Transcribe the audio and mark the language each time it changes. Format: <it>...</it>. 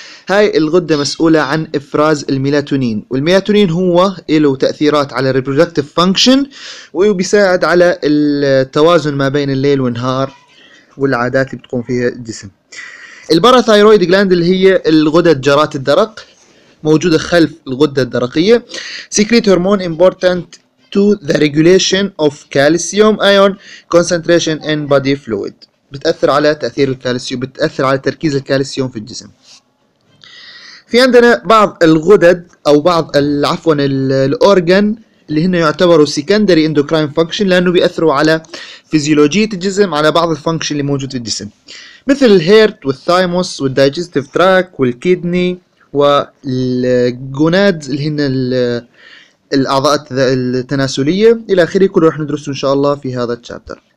<ar>هاي الغدة مسؤولة عن إفراز الميلاتونين، والميلاتونين هو له تأثيرات على الريبرودكتيف فانكشن، وبيساعد على التوازن ما بين الليل والنهار والعادات اللي بتقوم فيها الجسم. الباراثايرويد جلاند اللي هي الغدد جارات الدرق، موجودة خلف الغدة الدرقية.</ar> <en>Secrete hormone important to the regulation of calcium ion concentration in body fluid.</en> <ar>بتأثر على تأثير الكالسيوم، بتأثر على تركيز الكالسيوم في الجسم. في عندنا بعض الغدد أو بعض عفوا الأورجان اللي هن يعتبروا</ar> <en>secondary endocrine function،</en> <ar>لأنه بيأثروا على فيزيولوجية الجسم، على بعض الفانكشن اللي موجود في الجسم، مثل الهيرت والثايموس والدايجستيف تراك والكيدني والجوناد اللي هن الأعضاء التناسلية إلى آخره، كله راح ندرسه إن شاء الله في هذا الشابتر.</ar>